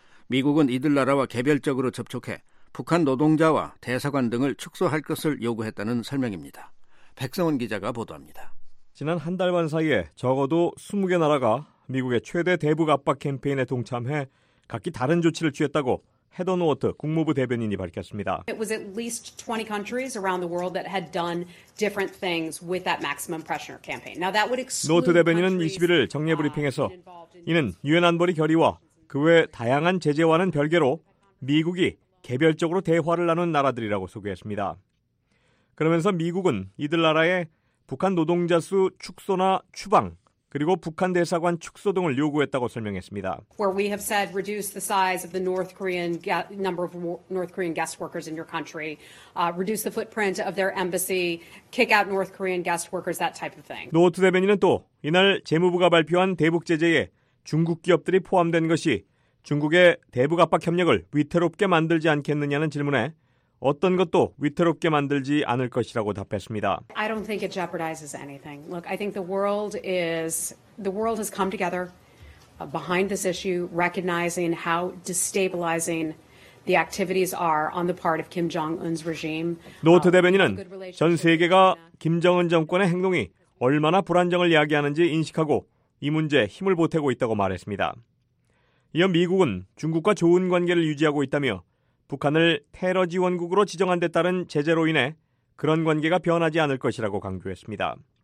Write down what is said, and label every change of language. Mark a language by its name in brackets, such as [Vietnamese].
[Korean] 미국은 이들 나라와 개별적으로 접촉해 북한 노동자와 대사관 등을 축소할 것을 요구했다는 설명입니다. 백성원 기자가 보도합니다. 지난 한 달만 사이에 적어도 20개 나라가 미국의 최대 대북 압박 캠페인에 동참해 각기 다른 조치를 취했다고 헤더 노어트 국무부 대변인이 밝혔습니다. [English] It was at least 20 countries around the world that had done different things with that maximum pressure campaign. Now that would exclude [Korean] 노어트 대변인은 21일 정례 브리핑에서 이는 유엔 안보리 결의와 그 외 다양한 제재와는 별개로 미국이 개별적으로 대화를 나눈 나라들이라고 소개했습니다. 그러면서 미국은 이들 나라에 북한 노동자 수 축소나 추방 그리고 북한 대사관 축소 등을 요구했다고 설명했습니다. [English] Where we have said reduce the size of the North Korean number of North Korean guest workers in your country, reduce the footprint of their embassy, kick out North Korean guest workers, that type of thing. [Korean] 노트 대변인은 또 이날 재무부가 발표한 대북 제재에 중국 기업들이 포함된 것이 중국의 대북 압박 협력을 위태롭게 만들지 않겠느냐는 질문에 어떤 것도 위태롭게 만들지 않을 것이라고 답했습니다. [English] I don't think it jeopardizes anything. Look, I think the world has come together behind this issue, recognizing how destabilizing the activities are on the part of Kim Jong-un's regime. [Korean] 노트 대변인은 전 세계가 김정은 정권의 행동이 얼마나 불안정을 야기하는지 인식하고 이 문제에 힘을 보태고 있다고 말했습니다. 이어 미국은 중국과 좋은 관계를 유지하고 있다며 북한을 테러 지원국으로 지정한 데 따른 제재로 인해 그런 관계가 변하지 않을 것이라고 강조했습니다.